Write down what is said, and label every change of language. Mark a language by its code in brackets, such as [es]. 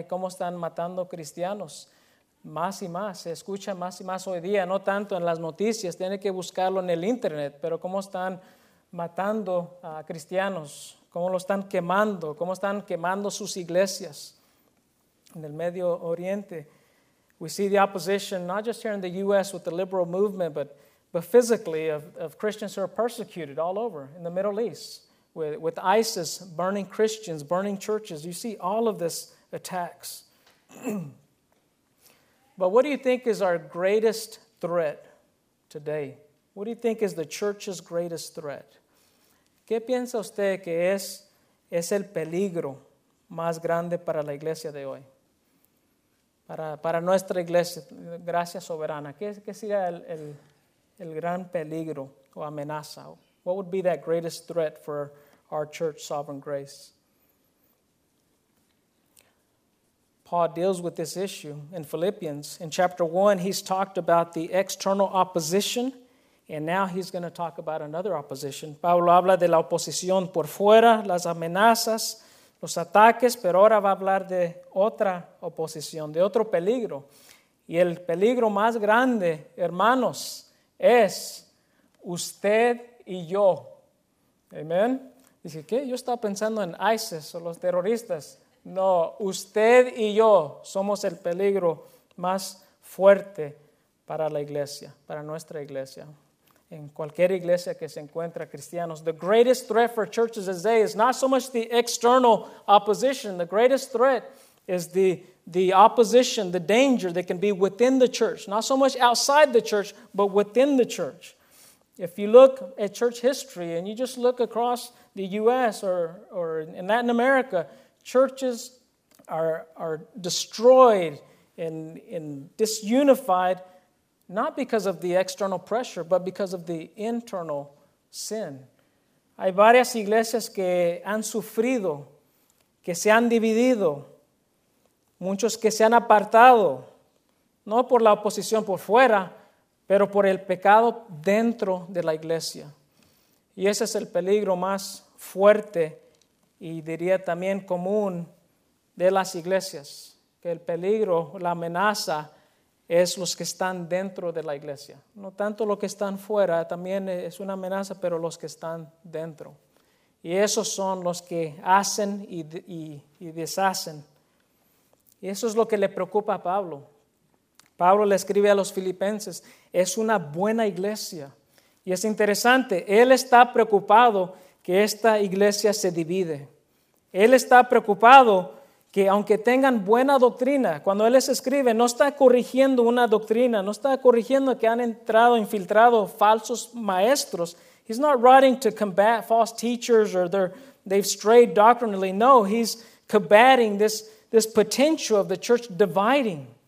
[es] Y cómo están matando cristianos más y más. Se escucha más y más hoy día, no tanto en las noticias, tiene que buscarlo en el internet, pero cómo están matando a cristianos, cómo lo están quemando, cómo están quemando sus iglesias en el Medio Oriente. [en] We see the opposition, not just here in the U.S. with the liberal movement, but physically of Christians who are persecuted all over in the Middle East. With ISIS burning Christians, burning churches, you see all of this attacks. But what do you think is our greatest threat today? What do you think is the church's greatest threat? [es] ¿Qué piensa usted que es el peligro más grande para la iglesia de hoy? Para nuestra iglesia, gracia soberana. ¿Qué sería el gran peligro o amenaza? [en] What would be that greatest threat for our church, Sovereign Grace. Paul deals with this issue in Philippians. In chapter 1, he's talked about the external opposition, and now he's going to talk about another opposition. [es] Pablo habla de la oposición por fuera, las amenazas, los ataques, pero ahora va a hablar de otra oposición, de otro peligro. Y el peligro más grande, hermanos, es usted y yo. Amén. Dice, ¿qué? Yo estaba pensando en ISIS o los terroristas. No, usted y yo somos el peligro más fuerte para la iglesia, para nuestra iglesia. En cualquier iglesia que se encuentra cristianos. [en] The greatest threat for churches today is not so much the external opposition. The greatest threat is the opposition, the danger that can be within the church. Not so much outside the church, but within the church. If you look at church history and you just look across the U.S. or in Latin America, churches are destroyed and disunified, not because of the external pressure, but because of the internal sin. [es] Hay varias iglesias que han sufrido, que se han dividido, muchos que se han apartado, no por la oposición por fuera, pero por el pecado dentro de la iglesia. Y ese es el peligro más fuerte y diría también común de las iglesias, que el peligro, la amenaza, es los que están dentro de la iglesia. No tanto los que están fuera, también es una amenaza, pero los que están dentro. Y esos son los que hacen y deshacen. Y eso es lo que le preocupa a Pablo. Pablo le escribe a los filipenses, es una buena iglesia. Y es interesante, él está preocupado que esta iglesia se divide. Él está preocupado que aunque tengan buena doctrina, cuando él les escribe, no está corrigiendo una doctrina, no está corrigiendo que han entrado, infiltrado falsos maestros. [en] He's not writing to combat false teachers or they've strayed doctrinally. No, he's combating this potential of the church dividing.